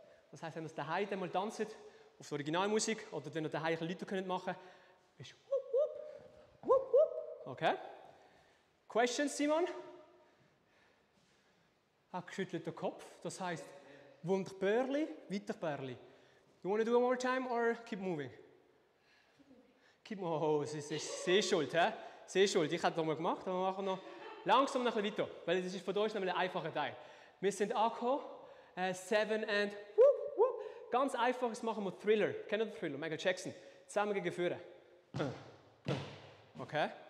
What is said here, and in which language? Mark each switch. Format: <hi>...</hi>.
<de>Das heisst, wenn ihr daheim einmal tanzt auf der Originalmusik oder wenn ihr daheim ein Lied machen könnt, ist wupp wupp wupp wupp. Okay?</de> <en>Questions, Simon?</en> <de>Ah, geschüttelt den Kopf, das heisst wunderbarli, weiterbarli.</de> <en>You wanna do one more time or keep moving? Keep moving.</en> <de>Oh, es ist Sehschuld, hä? Sehschuld, ich hätte es nochmal gemacht, aber wir machen noch langsam noch ein bisschen weiter, weil das ist von uns nämlich ein einfacher Teil. Wir sind angekommen, 7 and whoop, whoop. Ganz einfach, das machen wir Thriller. Kennt ihr den Thriller? Michael Jackson. Zusammen gegen Führer. Okay.</de>